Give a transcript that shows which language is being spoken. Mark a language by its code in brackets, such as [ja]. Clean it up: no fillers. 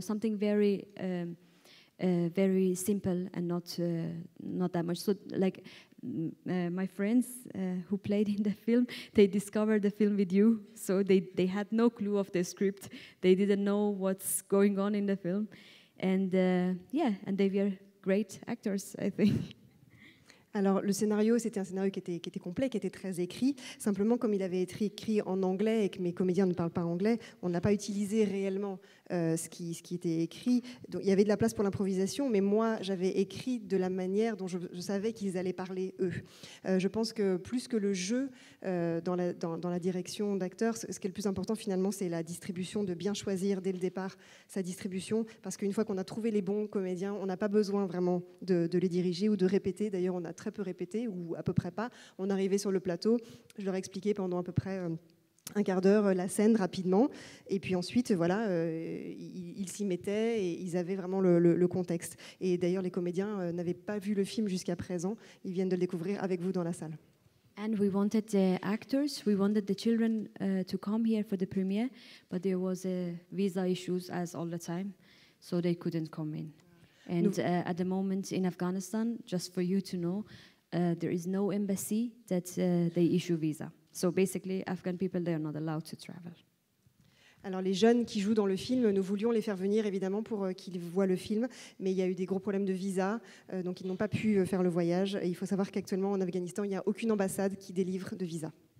[en] Something very very simple and not that much. So, like, my friends who played in the film, they discovered the film with you, so they had no clue of the script. They didn't know what's going on in the film, and and they were great actors, I think. [fr] Alors, le scénario, c'était un scénario qui était complet, qui était très écrit. Simplement, comme il avait été écrit en anglais et que mes comédiens ne parlent pas anglais, on n'a pas utilisé réellement ce qui était écrit. Donc, il y avait de la place pour l'improvisation, mais moi, j'avais écrit de la manière dont je savais qu'ils allaient parler, eux. Je pense que plus que le jeu dans la direction d'acteurs, ce qui est le plus important, finalement, c'est la distribution, de bien choisir dès le départ sa distribution, parce qu'une fois qu'on a trouvé les bons comédiens, on n'a pas besoin vraiment de les diriger ou de répéter. D'ailleurs, on a très peu répété, ou à peu près pas. On arrivait sur le plateau, je leur expliquais pendant à peu près un quart d'heure la scène rapidement. Et puis ensuite, voilà, ils s'y mettaient et ils avaient vraiment le contexte. Et d'ailleurs, les comédiens n'avaient pas vu le film jusqu'à présent. Ils viennent de le découvrir avec vous dans la salle. [en] And we wanted the actors, we wanted the children to come here for the premiere, but there was visa issues as all the time, so they couldn't come in. And at the moment in Afghanistan, just for you to know, there is no embassy that they issue visa. So basically, Afghan people, they are not allowed to travel. [fr] Alors les jeunes qui jouent dans le film, nous voulions les faire venir évidemment pour qu'ils voient le film, mais il y a eu des gros problèmes de visa, donc ils n'ont pas pu faire le voyage. Et il faut savoir qu'actuellement en Afghanistan, il n'y a aucune ambassade qui délivre de visa.